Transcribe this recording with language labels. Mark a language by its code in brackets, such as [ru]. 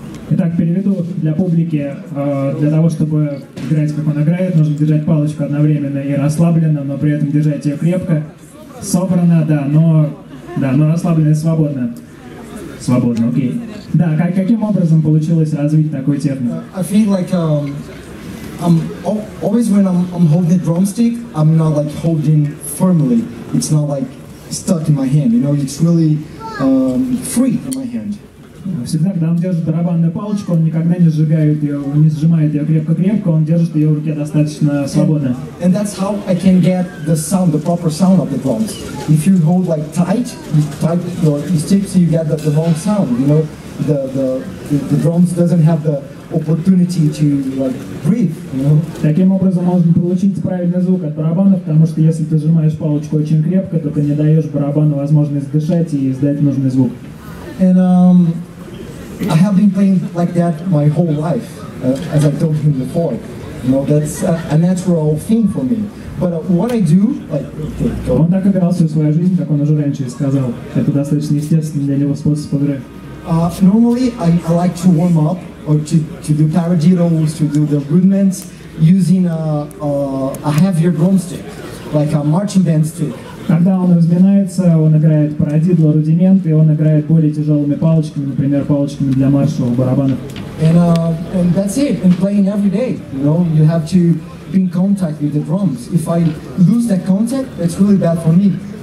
[ru] Итак, переведу для публики. Для того, чтобы играть, как он играет, нужно держать палочку одновременно и расслабленно, но при этом держать ее крепко. Собрано, да, но... Да, но расслабленно и свободно. Свободно, окей. Да, каким образом получилось развить такую технику? [en] I feel like I'm always when I'm holding the drumstick, I'm not like holding firmly. It's not like stuck in my hand, you know, it's really free in my hand. [ru] Всегда, когда он держит барабанную палочку, он никогда не сжигает ее, не сжимает ее крепко-крепко, он держит ее в руке достаточно свободно. [en] And that's how I can get the sound, the proper sound of the drums. If you hold like tight, you tight your sticks, you get the wrong sound, you know. The drums doesn't have the opportunity to like breathe, you know. [ru] Таким образом можно получить правильный звук от барабана, потому что если ты сжимаешь палочку очень крепко, то ты не даешь барабану возможность дышать и издать нужный звук. [en] And I have been playing like that my whole life, as I told him before. You know, that's a natural thing for me. But what I do, like, [ru] он так играл всю свою жизнь, как он уже раньше сказал. Это достаточно естественный для него способ игры. [en] Normally, I like to warm up or to do paradiddles, to do the rudiments using a heavier drumstick, like a marching band stick. [ru] Когда он разминается, он играет парадидло, рудимент, и он играет более тяжелыми палочками, например, палочками для марша у барабанов. [en] And that's it. And playing every day, you know, you have to be in contact with the drums. If I lose that contact, it's really bad for me.